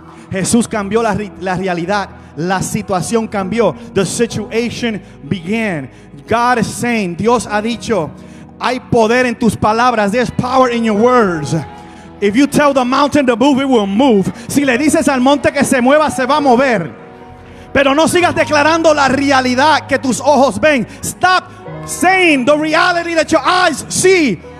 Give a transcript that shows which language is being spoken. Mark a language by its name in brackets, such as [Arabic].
[Spanish] Jesús cambió la realidad. La situación cambió. [English] The situation began. God is saying, [Spanish] Dios ha dicho, hay poder en tus palabras. [English] There's power in your words. If you tell the mountain to move, it will move. [Spanish] Si le dices al monte que se mueva, se va a mover. Pero no sigas declarando la realidad que tus ojos ven. [English] Stop saying the reality that your eyes see.